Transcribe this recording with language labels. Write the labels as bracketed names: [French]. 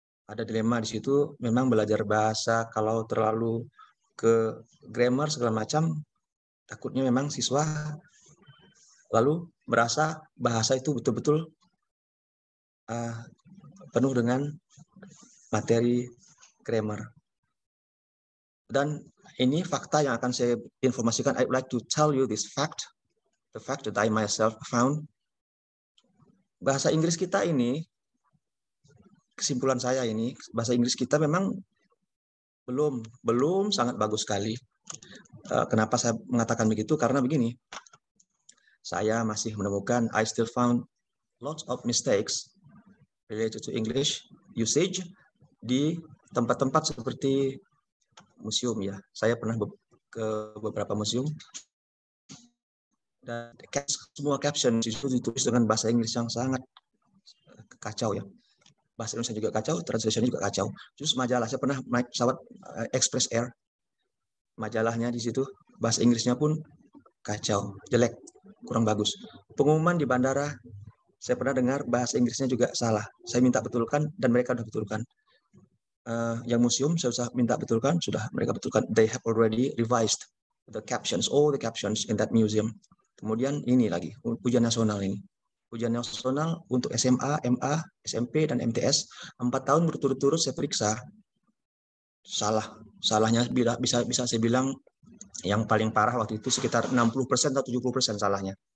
[Indonesian] Ada dilema di situ, memang belajar bahasa kalau terlalu ke grammar segala macam, takutnya memang siswa lalu merasa bahasa itu betul-betul penuh dengan materi grammar. Dan ini fakta yang akan saya informasikan. [English] I would like to tell you this fact, the fact that I myself found. [Indonesian] Bahasa Inggris kita ini, kesimpulan saya ini, bahasa Inggris kita memang belum sangat bagus sekali. Kenapa saya mengatakan begitu? Karena begini, saya masih menemukan, [English] I still found lots of mistakes related to English usage [Indonesian] di tempat-tempat seperti museum ya. Saya pernah ke beberapa museum dan semua caption itu ditulis dengan bahasa Inggris yang sangat kacau ya. bahasa Indonesia juga kacau, translation juga kacau. Terus majalah, saya pernah naik pesawat Express Air, majalahnya di situ, bahasa Inggrisnya pun kacau, jelek, kurang bagus. Pengumuman di bandara, saya pernah dengar bahasa Inggrisnya juga salah. Saya minta betulkan dan mereka sudah betulkan. Yang museum saya usah minta betulkan, sudah mereka betulkan. [English] They have already revised the captions, all the captions in that museum. [Indonesian] Kemudian ini lagi, ujian nasional ini. Ujian nasional untuk SMA, MA, SMP, dan MTS. 4 tahun berturut-turut saya periksa. Salah. Salahnya bisa saya bilang yang paling parah waktu itu sekitar 60% atau 70% salahnya.